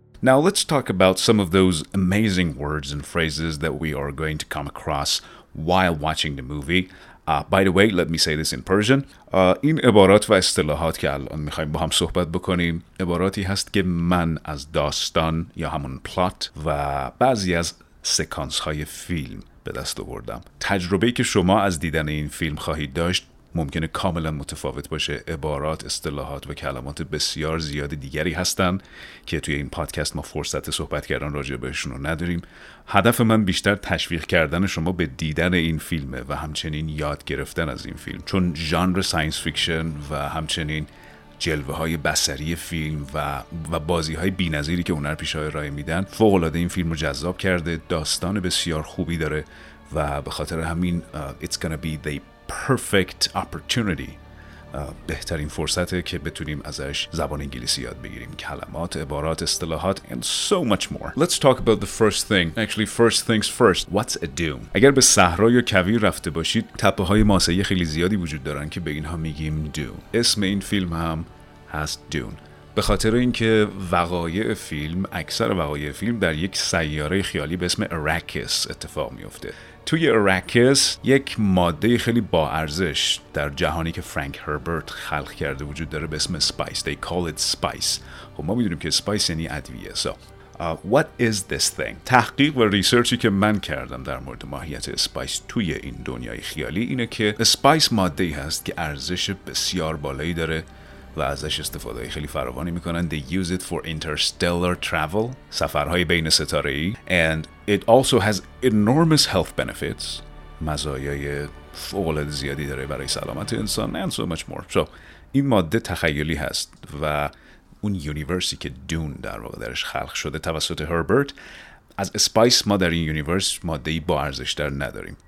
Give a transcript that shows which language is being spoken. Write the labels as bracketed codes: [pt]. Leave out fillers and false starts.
[en] Now let's talk about some of those amazing words and phrases that we are going to come across while watching the movie. By the way, let me say this in Persian. [fa] این عبارات و اصطلاحات که الان میخوایم با هم صحبت بکنیم، عباراتی هست که من از داستان یا همون پلات و بعضی از سکانس های فیلم به دست آوردم. تجربه‌ای که شما از دیدن این فیلم خواهید داشت ممکنه کاملا متفاوت باشه. عبارات، اصطلاحات و کلمات بسیار زیاد دیگری هستن که توی این پادکست ما فرصت صحبت کردن راجع بهشون رو نداریم. هدف من بیشتر تشویق کردن شما به دیدن این فیلمه و همچنین یاد گرفتن از این فیلم، چون ژانر ساینس فیکشن و همچنین جلوه های بصری فیلم و بازی های بی نظیری که هنرپیشه‌ها ارائه میدن فوق‌العاده این فیلم رو جذاب کرده. داستان بسیار خوبی داره و به خاطر همین [en] It's gonna be the perfect opportunity. [fa] بهترین فرصته که بتونیم ازش زبان انگلیسی یاد بگیریم، کلمات، عبارات، اصطلاحات [en] and so much more. Let's talk about the first thing. Actually, first things first. What's a dune? [fa] اگر به صحرا یا کویر رفته باشید، تپه‌های ماسه‌ای خیلی زیادی وجود دارن که به اینها میگیم دون. اسم این فیلم هم هست دون. به خاطر اینکه وقایع فیلم، اکثر وقایع فیلم در یک سیاره خیالی به اسم اراکس اتفاق میفته. توی اراکس یک ماده خیلی با ارزش در جهانی که فرانک هربرت خلق کرده وجود داره به اسم اسپایس. [en] They call it spice. [fa] خب ما میدونیم که spice یعنی ادویه. [en] So, what is this thing؟ [fa] تحقیق و ریسرچی که من کردم در مورد ماهیت spice توی این دنیای خیالی اینه که spice ماده‌ای هست که ارزش بسیار بالایی داره و ازش استفاده خیلی فراوانی میکنن. [en] They use it for interstellar travel، [fa] سفرهای بین ستاره‌ای. [en] And it also has enormous health benefits، [fa] مزایای فوق‌العاده زیادی داره برای سلامت انسان. [en] And so much more. [fa] So این ماده تخیلی هست و اون یونیورسی که دون در واقع درش خلق شده توسط هربرت، از اسپایس ما در این یونیورس ماده‌ای با ارزش‌تر نداریم.